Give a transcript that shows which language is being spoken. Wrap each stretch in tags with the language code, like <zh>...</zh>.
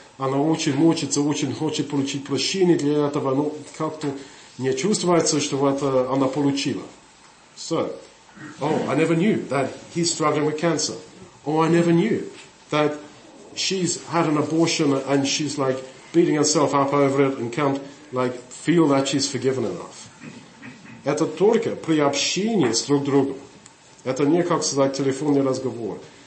<ru>Она очень мучается, очень хочет получить прощение для этого, но как-то не чувствуется, что это она получила.</ru> <en>So, oh, I never knew that he's struggling with cancer. Oh, I never knew that she's had an abortion and she's like beating herself up over it and can't like feel that she's forgiven enough.</en> <ru>Это только при общении с друг другом. Это не как сказать телефонный разговор.</ru>